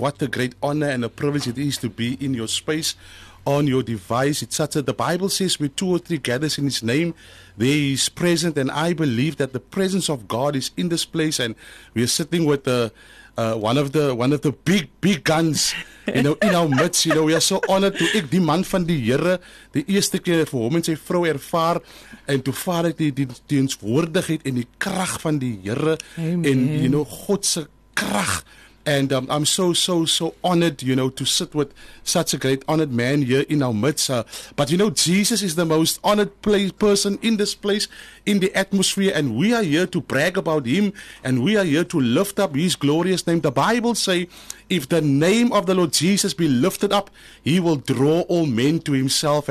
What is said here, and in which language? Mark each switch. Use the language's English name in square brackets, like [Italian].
[English] What a great honor and a privilege it is to be in your space on your device. It's such that the Bible says where two or three gathers in his name, there he is present. And I believe that the presence of God is in this place, and we are sitting with one of the big guns, you know, in our midst. You know, we are so honored to [Afrikaans] ek die man van die Here, die eerste keer vir hom en sy vrou ervaar, en toe vaar ek die teenswoordigheid en die krag van die Here en, [English] you know, [Afrikaans] God se krag. [English] And I'm so honored, you know, to sit with such a great honored man here in our midst. But, you know, Jesus is the most honored person in this place, in the atmosphere. And we are here to brag about him. And we are here to lift up his glorious name. The Bible say, if the name of the Lord Jesus be lifted up, he will draw all men to himself.